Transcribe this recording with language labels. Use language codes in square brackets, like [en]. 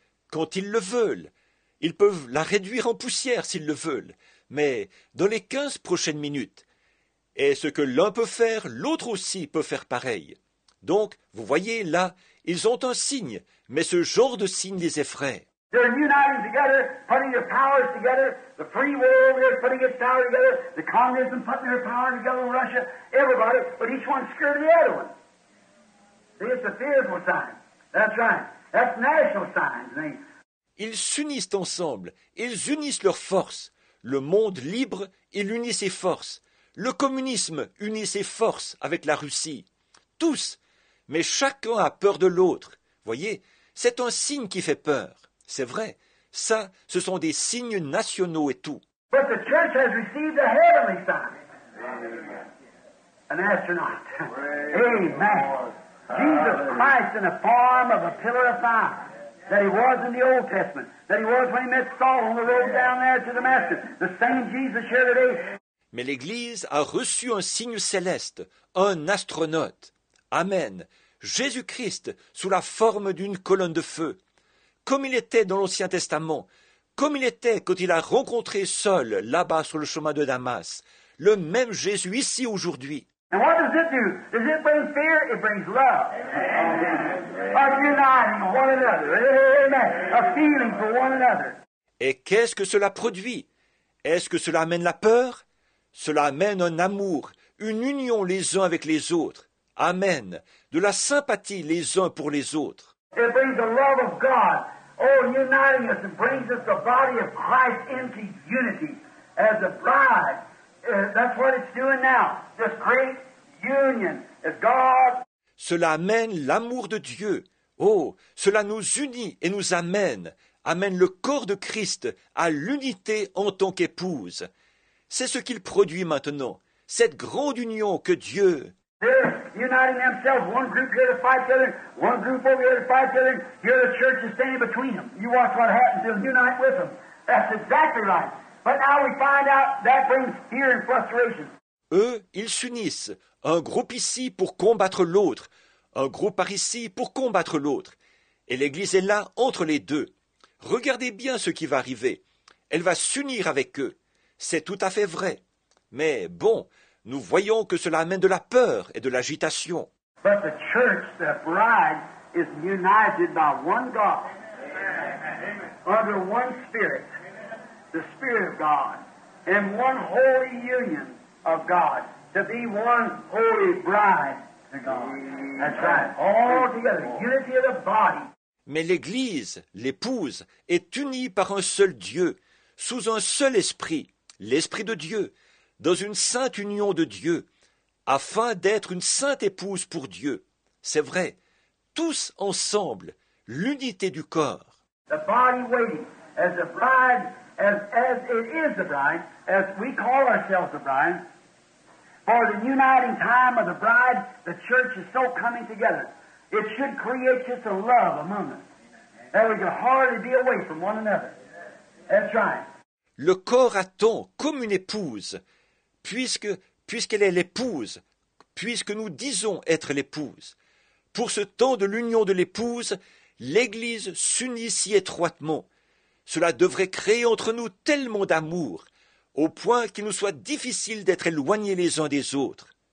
[fr] Quand ils le veulent, ils peuvent la réduire en poussière s'ils le veulent, mais dans les 15 prochaines minutes. Et ce que l'un peut faire, l'autre aussi peut faire pareil. Donc, vous voyez, là, ils ont un signe, mais ce genre de signe les effraie. [en] They're uniting together, putting their powers together. The free world over there is putting its power together. The communism putting their power together in Russia. Everybody, but each one's scared of the other one. See, it's a fearful sign. That's right. That's national sign. [fr] Ils s'unissent ensemble. Ils unissent leurs forces. Le monde libre, il unit ses forces. Le communisme unit ses forces avec la Russie. Tous. Mais chacun a peur de l'autre. Voyez, c'est un signe qui fait peur. C'est vrai. Ça, ce sont des signes nationaux et tout. [en] But the church has received a heavenly sign. An astronaut. Amen. Jesus Christ in the form of a pillar of fire. That he was in the Old Testament. That he was when he met Saul on the road down there to Damascus. The same Jesus here today. [fr] Mais l'Église a reçu un signe céleste, un astronaute. Amen. Jésus-Christ sous la forme d'une colonne de feu. Comme il était dans l'Ancien Testament, comme il était quand il a rencontré Saul là-bas sur le chemin de Damas, le même Jésus ici aujourd'hui. [en] And what does it do? Does it bring fear? It brings love. Amen. Amen. A uniting one another. Amen. A feeling for one another. [fr] Et qu'est-ce que cela produit? Est-ce que cela amène la peur? Cela amène un amour, une union les uns avec les autres. Amen. De la sympathie les uns pour les autres. [en] It brings the love of God. Oh, uniting us and brings us the body of Christ into unity as a bride. That's what it's doing now. This great union is God. [fr] Cela amène l'amour de Dieu. Oh, cela nous unit et nous amène le corps de Christ à l'unité en tant qu'épouse. C'est ce qu'il produit maintenant, cette grande union que Dieu... [en] They're uniting themselves, one group here to fight the other, one group over here to fight the other, here the church is standing between them. You watch what happens, they'll unite with them. That's exactly right. But now we find out that brings fear and frustration. [fr] Eux, ils s'unissent, un groupe ici pour combattre l'autre, un groupe par ici pour combattre l'autre. Et l'Église est là entre les deux. Regardez bien ce qui va arriver. Elle va s'unir avec eux. C'est tout à fait vrai. Mais bon, nous voyons que cela amène de la peur et de l'agitation. [en] But the church, the bride, is united by one God. Amen. Under one Spirit. Amen. The Spirit of God. And one holy union of God. To be one holy bride to God. Amen. That's right. All together. Unity of the body. [fr] Mais l'Église, l'épouse, est unie par un seul Dieu, sous un seul esprit, l'Esprit de Dieu, dans une sainte union de Dieu, afin d'être une sainte épouse pour Dieu. C'est vrai, tous ensemble, l'unité du corps. [en] The body waiting, as a bride, as it is a bride, as we call ourselves a bride, for the uniting time of the bride, the church is so coming together. It should create just a love among us, that we can hardly be away from one another. That's right. [fr] Le corps attend comme une épouse, puisqu'elle est l'épouse, puisque nous disons être l'épouse. Pour ce temps de l'union de l'épouse, l'Église s'unit si étroitement. Cela devrait créer entre nous tellement d'amour, au point qu'il nous soit difficile d'être éloignés les uns des autres.